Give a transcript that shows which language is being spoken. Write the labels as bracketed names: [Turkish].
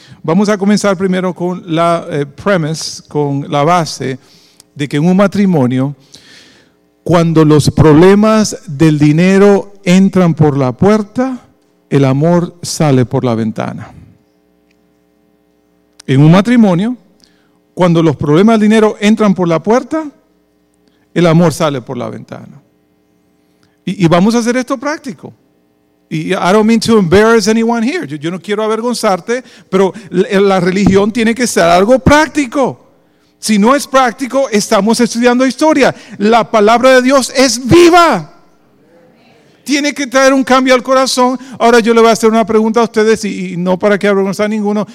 [Spanish] Vamos a comenzar primero con la premise, con la base de que en un matrimonio, cuando los problemas del dinero entran por la puerta, el amor sale por la ventana. En un matrimonio, cuando los problemas del dinero entran por la puerta, el amor sale por la ventana. Y vamos a hacer esto práctico. [English] Y I don't mean to embarrass anyone here. [Spanish] Yo no quiero avergonzarte, pero la religión tiene que ser algo práctico. Si no es práctico, estamos estudiando historia. La palabra de Dios es viva. Tiene que traer un cambio al corazón. Ahora yo le voy a hacer una pregunta a ustedes y no para que avergonzar a ninguno.